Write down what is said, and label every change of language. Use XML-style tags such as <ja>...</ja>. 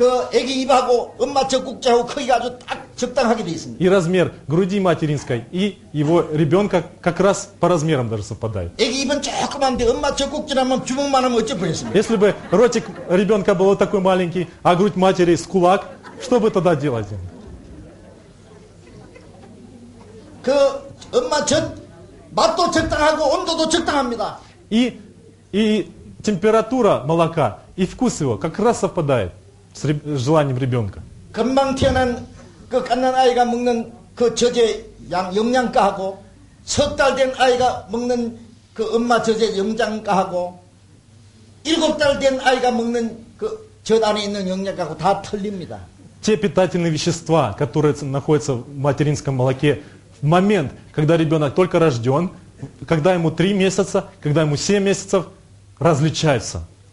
<ru>И размер груди материнской и его ребенка как раз по размерам даже совпадает. Если бы ротик ребенка был вот такой маленький, а грудь матери с кулак, что бы тогда делать?</ru> <ko>그 엄마 젖 맛도 적당하고 온도도 적당합니다.</ko> <ru>И температура молока и вкус его как раз совпадает с желанием ребенка.</ru> <ko>금방 태어난 그 갓난 아이가 먹는 그 젖의 양 영양가하고 석 달 된 아이가 먹는 그 엄마 젖의 영양가하고 일곱 달 된 아이가 먹는 그 젖 안에 있는 영양가하고 다 틀립니다.</ko> <ru>Те питательные вещества, которые находятся в материнском молоке в момент, когда ребенок только рожден, когда ему 3 месяца, когда ему 7 месяцев, различается.</ru>